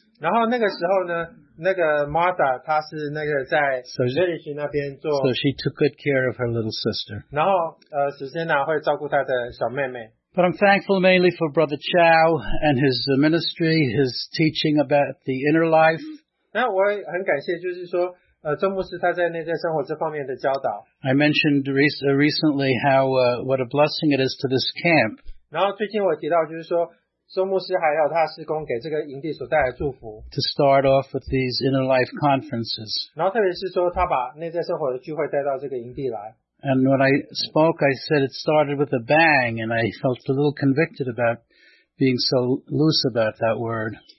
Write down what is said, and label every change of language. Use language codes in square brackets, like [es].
[zh] 然后那个时候呢， 那个Martha，她是那个在village那边做。 [en] So she took good care of her little sister. [zh] 然后Susanna会照顾她的小妹妹。 [en] But I'm thankful mainly for Brother Chow and his ministry, his teaching about the inner life. [zh] 那我很感谢就是说，周牧师他在内在生活这方面的教导。 [en] I mentioned recently how what a blessing it is to this camp. [zh] 然后最近我提到就是说， 周牧师还有他是供给这个营地所带来的祝福。 [en] To start off with these inner life conferences. [zh] 然后特别是说他把内在生活的聚会带到这个营地来。 [en] And when I spoke, I said it started with a bang, and I felt a little convicted about being so loose about that word.